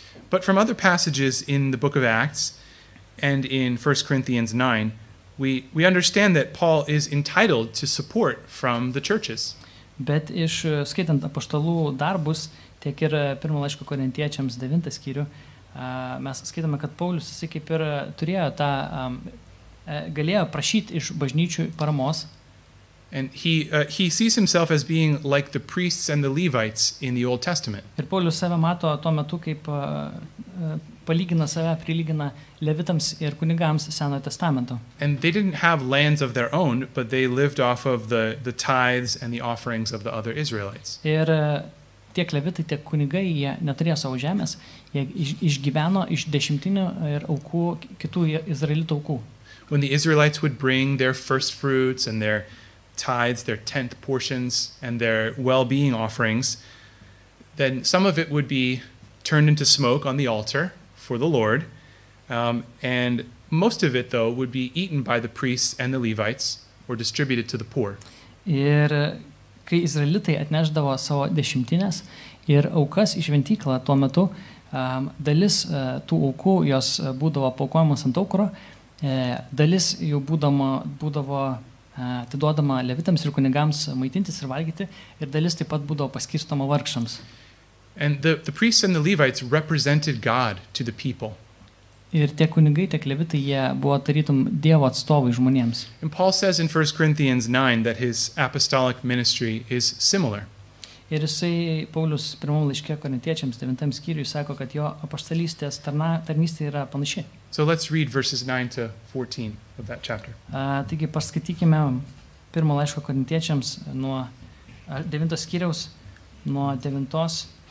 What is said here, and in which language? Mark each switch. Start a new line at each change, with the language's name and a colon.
English: But from other passages in the book of Acts and in 1 Corinthians 9, We understand that Paul is entitled to support from the churches.
Lithuanian: Bet iš skaitant apaštalų darbus, tiek ir pirmo laiško korintiečiams 9 skyrių, mes skaitame, kad Paulius jis kaip ir turėjo tą galėjo prašyti iš bažnyčių paramos.
English: And he sees himself as being like the priests and the Levites in the Old Testament.
Lithuanian: Ir Paulius save mato tuo metu kaip palygina save, prilygina levitams ir kunigams Senojo Testamento.
English: And they didn't have lands of their own, but they lived off of the tithes and the offerings of the other Israelites.
Lithuanian: Ir tiek levitai, tiek kunigai, jie neturėjo savo žemės, jie išgyveno iš dešimtinių ir aukų kitų Izraelitų aukų.
English: When the Israelites would bring their first fruits and their tithes, their tenth portions and their well-being offerings, then some of it would be turned into smoke on the altar for the Lord, and most of it, though, would be eaten by the priests and the Levites or distributed to the poor.
Lithuanian: Ir kai Izraelitai atnešdavo savo dešimtines ir aukas į šventyklą tuo metu, dalis tų aukų, jos būdavo paukojamos ant aukuro, dalis jų būdavo atiduodama levitams ir kunigams maitintis ir valgyti, ir dalis taip pat būdavo paskirstoma vargšams.
English: And the priests and the Levites represented God to the people.
Lithuanian: Ir tie kunigai, tie levitai, jie buvo tarytum Dievo atstovai žmonėms.
English: And Paul says in 1 Corinthians 9 that his apostolic ministry is similar.
Lithuanian: Ir jisai, Paulius, pirmam laiške korintiečiams, 9 skyriui, sako, kad jo apostolystės tarnystė yra panaši.
English: So let's read verses 9 to 14 of that chapter.
Lithuanian: Taigi, paskaitykime pirmo laiško korintiečiams nuo 9 skyriaus, nuo 9-os.